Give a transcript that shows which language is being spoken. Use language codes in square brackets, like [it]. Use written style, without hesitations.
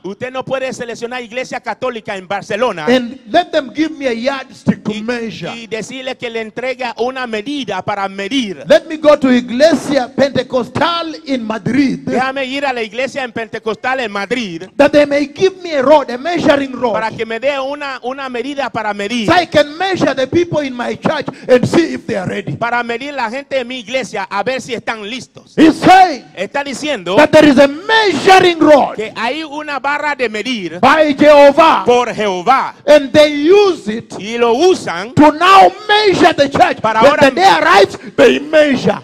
[es] Usted no puede seleccionar Iglesia Católica en Barcelona. [en] And let them give me a yardstick to measure. [es] Y decirle que le entrega una medida para medir. [en] Let me go to Iglesia Pentecostal in Madrid. [es] Déjame ir a la Iglesia en Pentecostal en Madrid. [en] That they may give me a rod, a measuring rod. [es] Para que me dé una medida para medir. [en] So I can measure the people in my church and see if they are ready. [es] Para medir la gente de mi iglesia, a ver si están listos. [en] He's saying, [es] está diciendo, [en] that there is a measuring rod, [es] que hay una barra de medir, [en] by Jehovah, [es] por Jehová, [en] and they use it, [es] y lo usan, [en] to now measure the church. [es] Para [en] when [es] ahora, [en] the day arrives, they measure.